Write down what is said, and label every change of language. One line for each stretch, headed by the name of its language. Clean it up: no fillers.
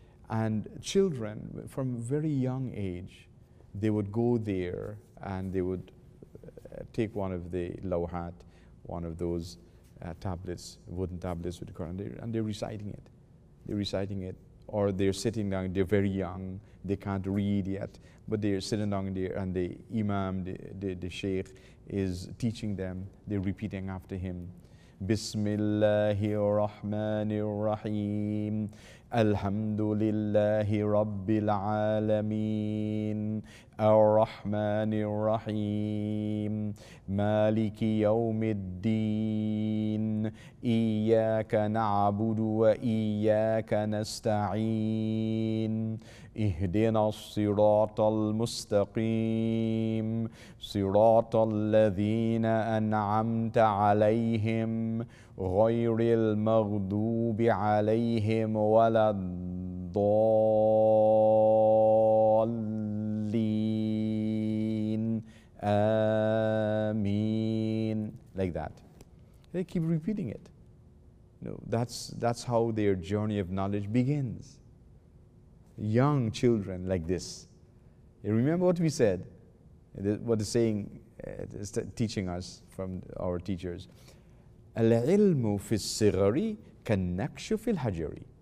English: And children, from very young age, they would go there and they would take one of the lawhat, one of those tablets, wooden tablets with the Quran, and they're reciting it. They're reciting it. Or they're sitting down, they're very young, they can't read yet, but they're sitting down there and the imam, the sheikh, is teaching them, they're repeating after him.
Arabic: بسم الله الرحمن الرحيم الحمد لله رب العالمين الرحمن الرحيم مالك يوم الدين إياك نعبد وإياك نستعين اهدنا الصراط المستقيم صراط الذين أنعمت عليهم غير المغضوب عليهم ولا الضالين آمين.
English: Like that. They keep repeating it. No, that's how their journey of knowledge begins. Young children like this. You remember what we said? What the saying is teaching us from our teachers.
Arabic: الْعِلْمُ فِي الصِّغَرِ كَالنَّقْشُ فِي الْحَجَرِ.